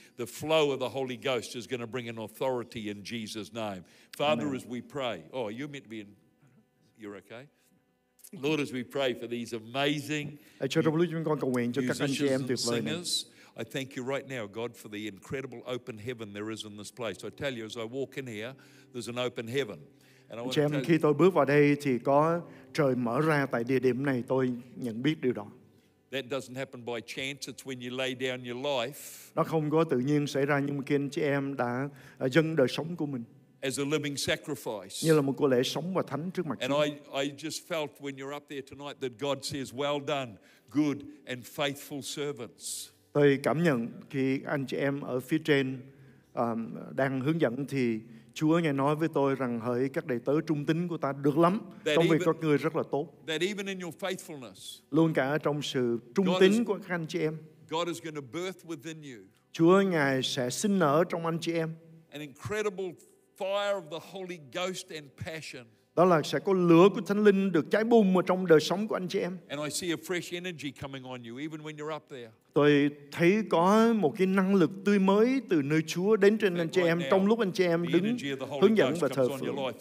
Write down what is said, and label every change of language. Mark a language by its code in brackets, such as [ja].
[en] The flow of the Holy Ghost is going to bring an authority in Jesus' name. Father, Amen. As we pray. Oh, you're meant to be in. You're okay? Lord, as we pray for these amazing musicians and singers. I thank you right now, God, for the incredible open heaven there is in this place. I tell you, as I walk in here, there's an open heaven. [vi] Anh em, khi tôi bước vào đây thì có trời mở ra tại địa điểm này, tôi nhận biết điều đó. [en] That doesn't happen by chance, it's when you lay down your life. [vi] Nó không có tự nhiên xảy ra, nhưng mà khi anh chị em đã dâng đời sống của mình. [en] As a living sacrifice. [vi] Như là một cuộc lễ sống và thánh trước mặt Chúa. [en] And I just felt when you're up there tonight that God says, well done, good and faithful servants. [vi] Tôi cảm nhận khi anh chị em ở phía trên đang hướng dẫn thì Chúa nghe nói với tôi rằng hỡi các đầy tớ trung tín của ta, được lắm, công việc các ngươi rất là tốt. [en] That even in your faithfulness, [vi] luôn cả trong sự trung tín của các anh chị em, [en] God is going to birth within you. [vi] Chúa Ngài sẽ sinh nở trong anh chị em. [en] An incredible fire of the Holy Ghost and passion. [vi] Đó là sẽ có lửa của Thánh Linh được cháy bùng ở trong đời sống của anh chị em. [en] And I see a fresh energy coming on you, even when you're up there. [vi] Tôi thấy có một cái năng lực tươi mới từ nơi Chúa đến trên anh chị em trong lúc anh chị em đứng hướng dẫn và thờ phượng.